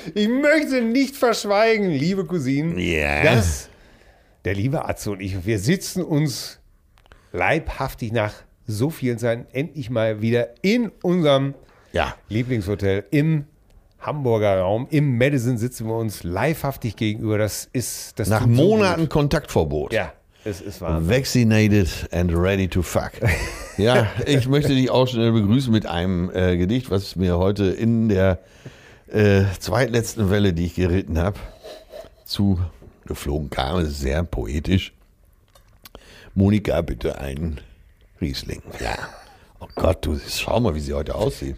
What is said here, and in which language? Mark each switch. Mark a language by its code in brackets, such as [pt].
[de] Ich möchte nicht verschweigen, liebe Cousinen, dass der liebe Atze und ich, wir sitzen uns leibhaftig nach so vielen Zeiten endlich mal wieder in unserem Lieblingshotel im Hamburger Raum. Im Madison sitzen wir uns livehaftig gegenüber. Das ist das. Nach Monaten Kontaktverbot. Ja, es ist wahr. [en] Vaccinated and ready to fuck. [de] Ja, ich möchte dich auch schnell begrüßen mit einem Gedicht, was mir heute in der zweitletzten Welle, die ich geritten habe, zu geflogen kam, sehr poetisch. Monika, bitte einen Riesling. Ja. Oh Gott, du, schau mal, wie sie heute aussieht.